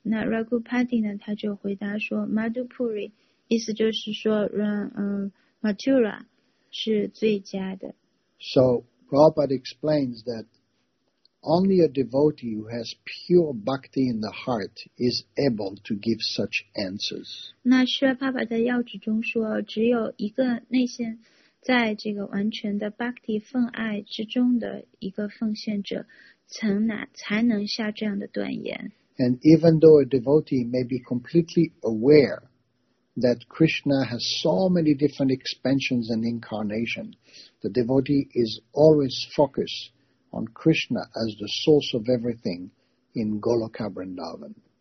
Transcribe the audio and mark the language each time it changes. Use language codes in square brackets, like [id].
[zh] 那 Raghupati 呢，他就回答说 ，Madhupuri 意思就是说，Mathura 是最佳的。 [en] So Prabhupada explains that. Only a devotee who has pure bhakti in the heart is able to give such answers. [zh] 那是爸爸在要旨中说，只有一个内心在这个完全的 bhakti 奉爱之中的一个奉献者，才能下这样的断言。 [en] And even though a devotee may be completely aware that Krishna has so many different expansions and incarnation, the devotee is always focused. On Krishna as the source of everything in Goloka Vrindavan.